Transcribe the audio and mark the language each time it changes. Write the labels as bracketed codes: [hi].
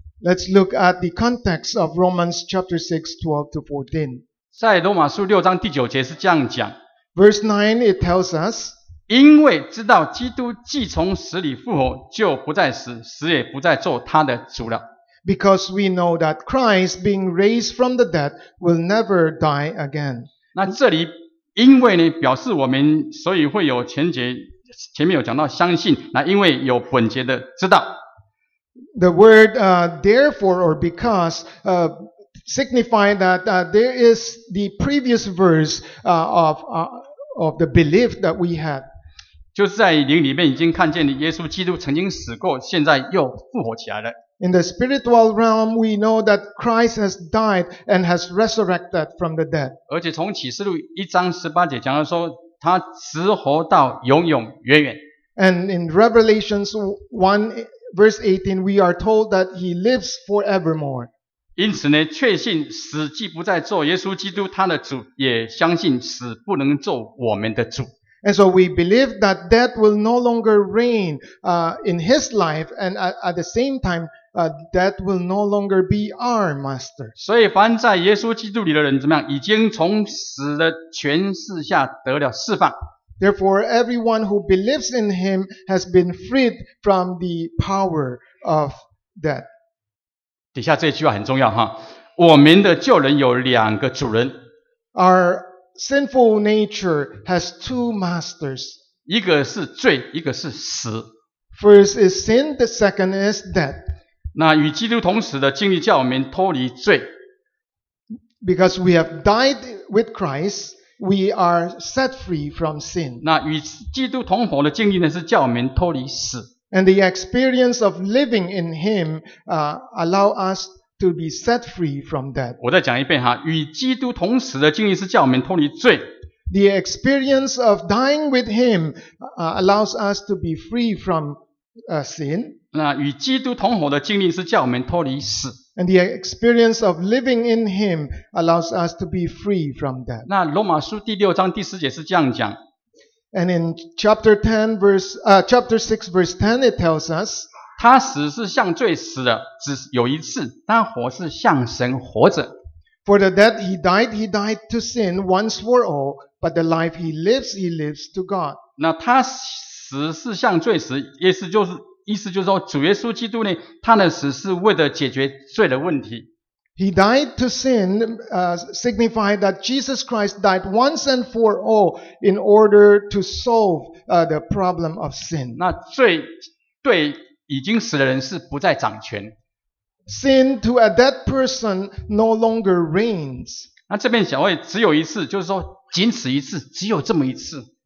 [en] Let's look at the context of Romans chapter 6:12-14. [zh] 在罗马书六章第九节是这样讲 [en] ，Verse 9 it tells us， [zh] 因为知道基督既从死里复活，就不再死，死也不再做他的主了。 [en] Because we know that Christ, being raised from the dead, will never die again。 [zh] 那这里因为呢，表示我们所以会有前节前面有讲到相信，那因为有本节的知道。 [en] The word therefore or because signify that there is the previous verse of the belief that we had. [zh] 就是在灵里面已经看见耶稣基督曾经死过，现在又复活起来了。 [en] In the spiritual realm, we know that Christ has died and has resurrected from the dead. [zh] 而且从启示录一章十八节讲到说，他直活到永永远远。 [en] And in Revelations 1 verse 18, we are told that he lives forevermore. [zh] 因此呢，确信死既不再做耶稣基督他的主，也相信死不能做我们的主。 [en] And so we believe that death will no longer reign in his life, and at the same time, death will no longer be our master. [zh] 所以凡在耶稣基督里的人怎么样，已经从死的权势下得了释放。 [en] Therefore, everyone who believes in him has been freed from the power of death. [zh] 底下这句话很重要哈，我们的旧人有两个主人。 [en] Our sinful nature has two masters. [zh] 一个是罪，一个是死。 [en] First is sin, the second is death. [zh] 那与基督同死的经历叫我们脱离罪。 [en] Because we have died with Christ, we are set free from sin. [zh] 那与基督同活的经历呢，是叫我们脱离死。 [en] And the experience of living in him allow us to be set free from that. [zh] 我再讲一遍哈，与基督同死的经历是叫我们脱离罪。 [en] The experience of dying with him allows us to be free from sin. [zh] 那与基督同活的经历是叫我们脱离死。 [en] And the experience of living in him allows us to be free from that. [zh] 那罗马书第六章第十节是这样讲。 [en] And in chapter 10 verse, chapter 6 verse 10 it tells us, [zh] 他死是像罪死的只有一次，但活是像神活着。 [en] For the death he died to sin once for all, but the life he lives to God. [zh] 那他死是像罪死，意思就是说主耶稣基督呢，他的死是为了解决罪的问题。 [en] He died to sin, signified that Jesus Christ died once and for all in order to solve, the problem of sin. [zh] 那罪对已经死的人是不再掌权。 [en] Sin to a dead person no longer reigns. [zh] 那这边讲会只有一次，就是说仅此一次，只有这么一次。